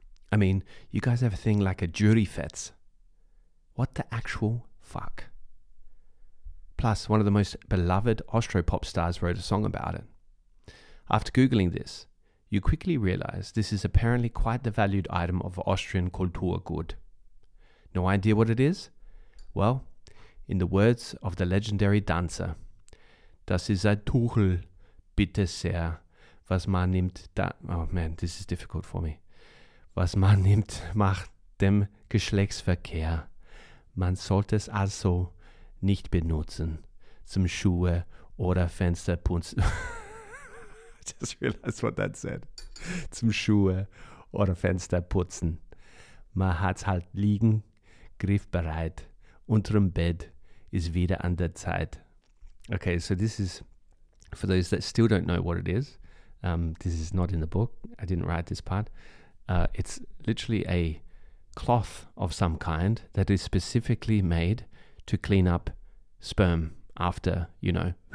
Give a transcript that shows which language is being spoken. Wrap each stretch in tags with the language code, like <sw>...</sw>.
<en>I mean, you guys have a thing like a Jurifetz. What the actual fuck? Plus, one of the most beloved Austropop stars wrote a song about it. After Googling this, you quickly realize this is apparently quite the valued item of Austrian Kulturgut. No idea what it is? Well, in the words of the legendary dancer,</en> <de>das ist ein Tuchel, bitte sehr, was man nimmt da...</de> <en>Oh man, this is difficult for me.</en> <de>Was man nimmt, macht dem Geschlechtsverkehr. Man sollte es also nicht benutzen zum Schuhe oder Fensterputzen.</de> <en>I just realized what that said.</en> <de>Zum Schuhe oder Fensterputzen. Man hat's halt liegen, griffbereit, unterm Bett ist wieder an der Zeit.</de> <en>Okay, so this is, for those that still don't know what it is, this is not in the book. I didn't write this part. It's literally a cloth of some kind that is specifically made to clean up sperm after, you know.</en>